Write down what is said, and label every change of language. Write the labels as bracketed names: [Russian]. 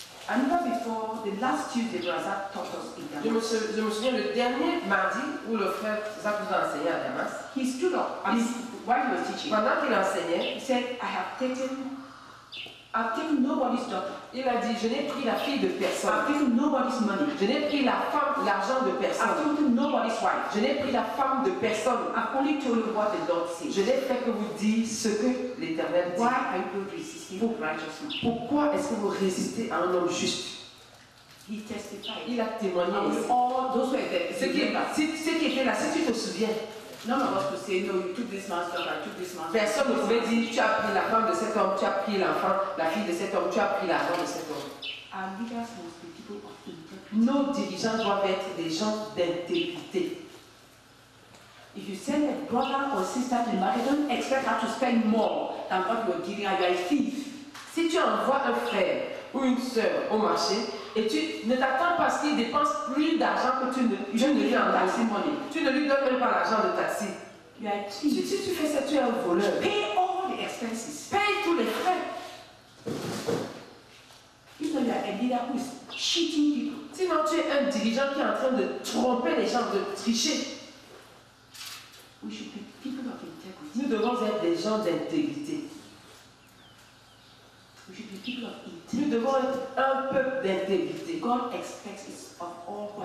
[English] I remember before the last Tuesday where Zach taught us in Damas. [French] Je me souviens le dernier mardi où le frère Zach nous a enseigné à Damas. [English] He stood up while he was teaching. [French] Pendant qu'il enseignait, [English] he said, I have taken nobody's daughter. [French] Il a dit, je n'ai pris la fille de personne. [English] I've taken nobody's money. [French] Je n'ai pris la femme, l'argent de personne. [English] I've taken nobody's wife. [French] Je n'ai pris la femme de personne. [English] I've only told you what the Lord says. [French] Je n'ai fait que vous dire ce que l'Éternel dit. [English] Why are you resisting righteousness? [French] Pourquoi est-ce que vous résistez à un homme juste? [English] He testified. [French] Il a témoigné. [English] And all those were there. [French] Ce qui était là, si tu te souviens. [English] None of us could say, no, you took this man's daughter, you took this man's daughter. [French] Personne ne pouvait dire, tu as pris la femme de cet homme, tu as pris l'enfant, la fille de cet homme, tu as pris l'argent de cet homme. [English] Our leaders must be people of integrity. [French] Nos dirigeants doivent être des gens d'intégrité. [English] If you send a brother or sister to marry, don't expect her to spend more than what you are giving her, you are a thief. [French] Si tu envoies un frère ou une sœur au marché, et tu ne t'attends pas à ce qu'il dépense plus d'argent que tu ne lui donnes en taxi. Tu ne lui donnes même pas l'argent de taxi. Si tu fais ça, tu es un voleur. [English] Pay all the expenses. [French] Paye tous les frais. Sinon, [English] you are a leader who is cheating people. [French] Sinon, tu es un dirigeant qui est en train de tromper les gens, de tricher. [English] We should be people of integrity. [French] Nous devons être des gens d'intégrité. [English] We should be people of integrity. [French] Nous devons être un peuple d'intégrité. [English] God expects it of all